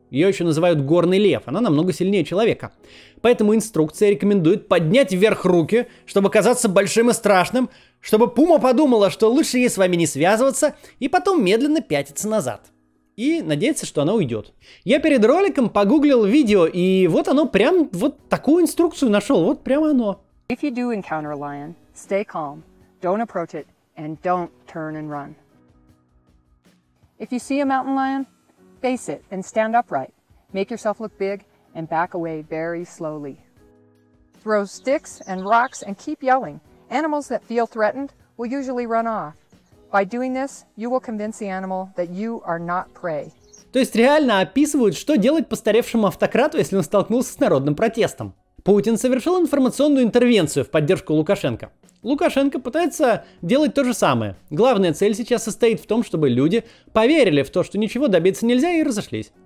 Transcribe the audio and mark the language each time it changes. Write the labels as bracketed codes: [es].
[ru] Ее еще называют горный лев. Она намного сильнее человека. Поэтому инструкция рекомендует поднять вверх руки, чтобы казаться большим и страшным, чтобы пума подумала, что лучше ей с вами не связываться, и потом медленно пятиться назад. И надеяться, что она уйдет. Я перед роликом погуглил видео, и вот оно прям, вот такую инструкцию нашел. Вот прямо оно. [en] If you do encounter a lion, stay calm, don't approach it, and don't turn and run. If you see a mountain lion, face it and stand upright. Make yourself look big and back away very slowly. Throw sticks and rocks and keep yelling. Animals that feel threatened will usually run off. By doing this, you will convince the animal that you are not prey. [ru] То есть реально описывают, что делать постаревшему автократу, если он столкнулся с народным протестом. Путин совершил информационную интервенцию в поддержку Лукашенко. Лукашенко пытается делать то же самое. Главная цель сейчас состоит в том, чтобы люди поверили в то, что ничего добиться нельзя, и разошлись.